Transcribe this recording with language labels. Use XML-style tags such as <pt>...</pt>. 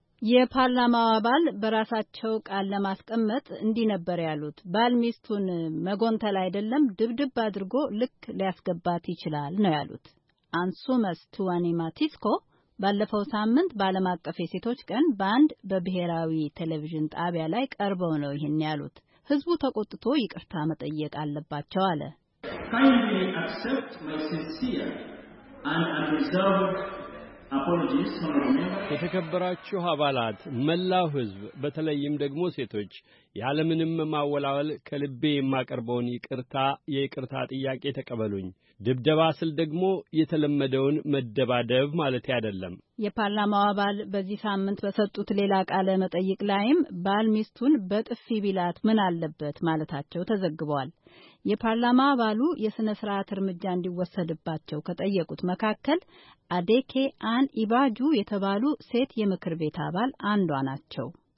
<am>የፓርላማ አባል በራሳቸው ቃል ለማስቀመጥ እንዲህ ነበር ያሉት፣ ባል ሚስቱን መጎንተል አይደለም ድብድብ አድርጎ ልክ ሊያስገባት ይችላል ነው ያሉት። አንሱመስ ቱዋኒ ማቲስኮ ባለፈው ሳምንት በዓለም አቀፍ የሴቶች ቀን በአንድ በብሔራዊ ቴሌቪዥን ጣቢያ ላይ ቀርበው ነው ይህን ያሉት። ህዝቡ ተቆጥቶ ይቅርታ መጠየቅ አለባቸው አለ።</am> <en>Kindly accept my sincere and unreserved apologies from the members.</en> <am>የተከበራችሁ አባላት፣ መላው ህዝብ፣ በተለይም ደግሞ ሴቶች፣ ያለምንም ማወላወል ከልቤ የማቀርበውን የይቅርታ ጥያቄ ተቀበሉኝ። ድብደባ ስል ደግሞ የተለመደውን መደባደብ ማለት አይደለም። የፓርላማው አባል በዚህ ሳምንት በሰጡት ሌላ ቃለ መጠይቅ ላይም ባል ሚስቱን በጥፊ ቢላት ምን አለበት ማለታቸው ተዘግቧል። የፓርላማ አባሉ የሥነ ሥርዓት እርምጃ እንዲወሰድባቸው ከጠየቁት መካከል አዴኬ አን ኢባጁ የተባሉ ሴት የምክር ቤት አባል አንዷ ናቸው።</am>